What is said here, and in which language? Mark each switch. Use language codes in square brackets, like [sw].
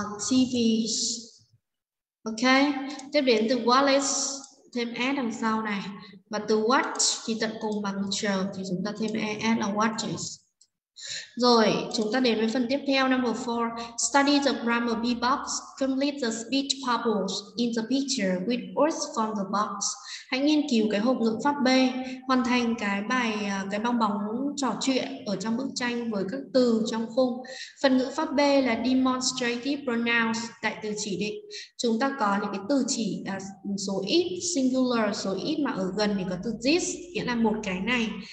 [en] TVs. [vi] Ok, tiếp đến từ wallets thêm s đằng sau này. Và từ watch thì tận cùng bằng chờ thì chúng ta thêm s là watches. Rồi, chúng ta đến với phần tiếp theo, number 4. [en] Study the grammar B box. Complete the speech bubbles in the picture with words from the box. [vi] Hãy nghiên cứu cái hộp ngữ pháp B, hoàn thành cái bài cái bong bóng trò chuyện ở trong bức tranh với các từ trong khung. Phần ngữ pháp B là demonstrative pronouns, đại từ chỉ định. Chúng ta có những cái từ chỉ số ít, singular số ít, mà ở gần thì có từ this, nghĩa là một cái này.